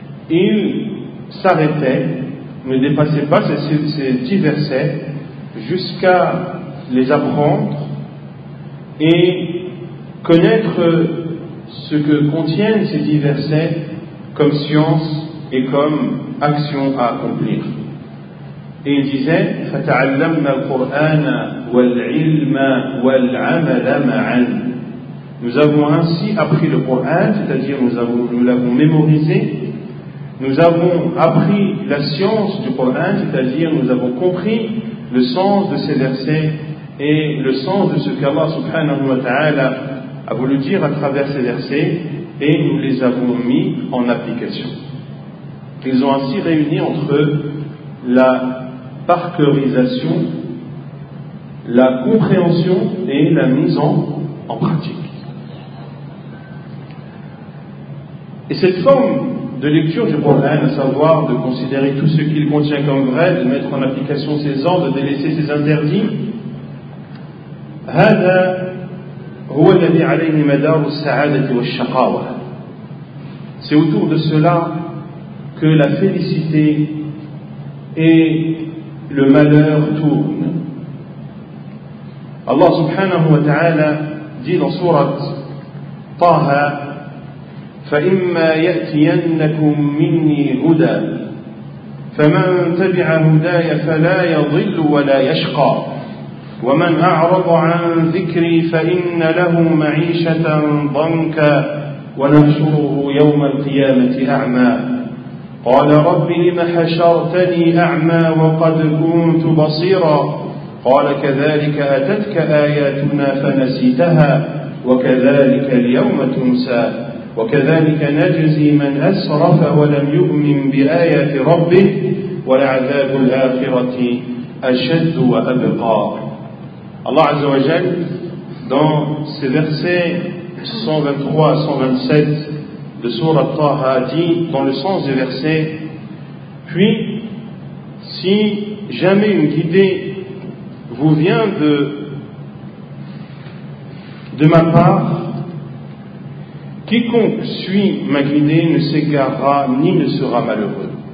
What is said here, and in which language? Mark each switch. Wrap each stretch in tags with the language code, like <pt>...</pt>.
<fr>ils s'arrêtaient, ne dépassaient pas ces 10 versets jusqu'à les apprendre et connaître ce que contiennent ces 10 versets comme science et comme action à accomplir. Et il disait:</fr> <ar>فَتَعَلَّمْنَا الْقُرْآنَ وَالْعِلْمَ وَالْعَمَلَ مَعًا.</ar> <fr>Nous avons ainsi appris le Coran, c'est-à-dire nous l'avons mémorisé. Nous avons appris la science du Coran, c'est-à-dire nous avons compris le sens de ces versets et le sens de ce qu'Allah subhanahu wa ta'ala a voulu dire à travers ces versets, et nous les avons mis en application. Ils ont ainsi réuni entre eux la parcourisation, la compréhension et la mise en pratique. Et cette forme de lecture du Coran, à savoir de considérer tout ce qu'il contient comme vrai, de mettre en application ses ordres, de délaisser ses interdits,</fr> <ar>هذا هو الذي عليه مدار السعادة والشقاوة.</ar> <fr>C'est autour de cela que la félicité et le malheur tournent. Allah subhanahu wa ta'ala dit dans sourate</fr> <ar>طه فَإِمَّا يَأْتِيَنَّكُمْ مِنِّي هُدَى فَمَنْ تَبِعَ هُدَايَ فَلَا يَضِلُّ وَلَا يَشْقَى وَمَنْ أَعْرَضَ عَنْ ذِكْرِي فَإِنَّ لَهُ مَعِيشَةً ضَنْكًا وَنَحْشُرُهُ يَوْمَ الْقِيَامَةِ أَعْمَى قَالَ رَبِّ لِمَ حَشَرْتَنِي أَعْمَى وَقَدْ كُنْتُ بَصِيرًا قَالَ كَذَلِكَ أَتَتْكَ آيَاتُنَا فَنَسِيتَهَا وَكَذَلِكَ الْيَوْمَ تُنْسَى وَكَذَلِكَ نَجْزِي مَنْ أَسْرَفَ وَلَمْ يُؤْمِنْ بِآيَاتِ رَبِّهِ وَلَعَذَابُ الْآخِرَةِ أَشَدُّ وَأَبْقَى.</ar> <fr>Allah Azza wa Jal, dans ces versets 123 à 127 de Surah Taha, dit dans le sens des versets: puis, si jamais une guidée vous vient de ma part, quiconque suit ma guidée ne s'égarera ni ne sera malheureux.</fr>